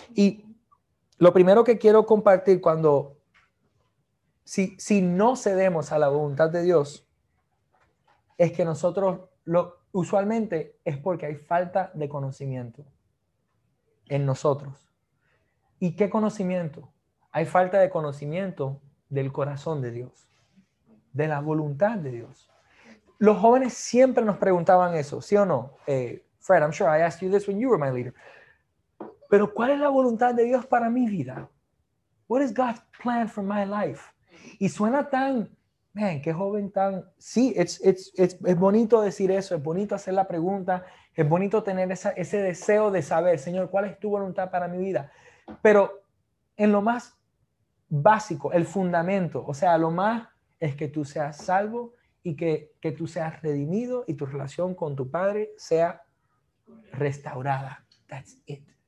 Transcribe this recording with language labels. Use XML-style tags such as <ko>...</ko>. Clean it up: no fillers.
<es>Y lo primero que quiero compartir cuando, si no cedemos a la voluntad de Dios, es que nosotros, usualmente es porque hay falta de conocimiento en nosotros. ¿Y qué conocimiento? Hay falta de conocimiento del corazón de Dios, de la voluntad de Dios. Los jóvenes siempre nos preguntaban eso, ¿sí o no?</es> <en>Fred, I'm sure I asked you this when you were my leader.</en> <es>Pero ¿cuál es la voluntad de Dios para mi vida?</es> <en>What is God's plan for my life?</en> <es>Y suena tan, man, qué joven tan... Sí, es bonito decir eso, es bonito hacer la pregunta, es bonito tener ese deseo de saber, Señor, ¿cuál es tu voluntad para mi vida? Pero en lo más básico, el fundamento, o sea, lo más es que tú seas salvo, y que tú seas redimido y tu relación con tu padre sea restaurada.</es> <en>That's it.</en>